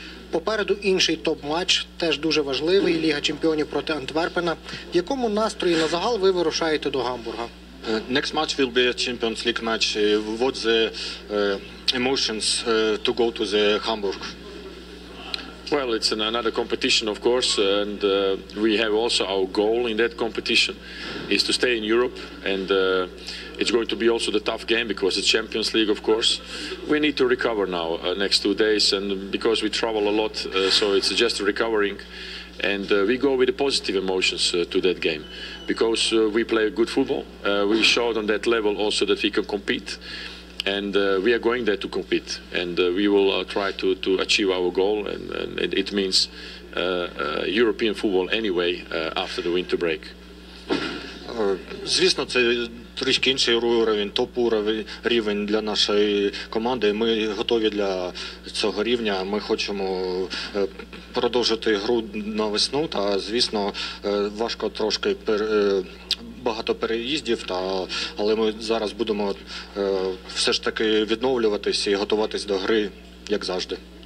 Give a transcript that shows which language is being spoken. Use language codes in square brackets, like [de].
[uk] Попереду інший топ-матч, теж дуже важливий, Ліга чемпіонів проти Антверпена. В якому настрої на загал ви вирушаєте до Гамбурга? [en] Next match will be a Champions League match. What the emotions to go to the Hamburg? Well, it's another competition, of course, and we have also our goal in that competition is to stay in Europe, and it's going to be also the tough game because it's Champions League, of course. We need to recover now, next 2 days, and because we travel a lot, so it's just recovering, and we go with the positive emotions to that game because we play good football. We showed on that level also that we can compete. And we are going there to compete, and we will try to achieve our goal, and it means European football anyway after the winter break. [uk] Звісно, це трішки інший рівень, топ-рівень для нашої команди. Ми готові для цього рівня, ми хочемо продовжити гру на весну, та, звісно, важко трошки, багато переїздів, але ми зараз будемо все ж таки відновлюватися і готуватись до гри, як завжди.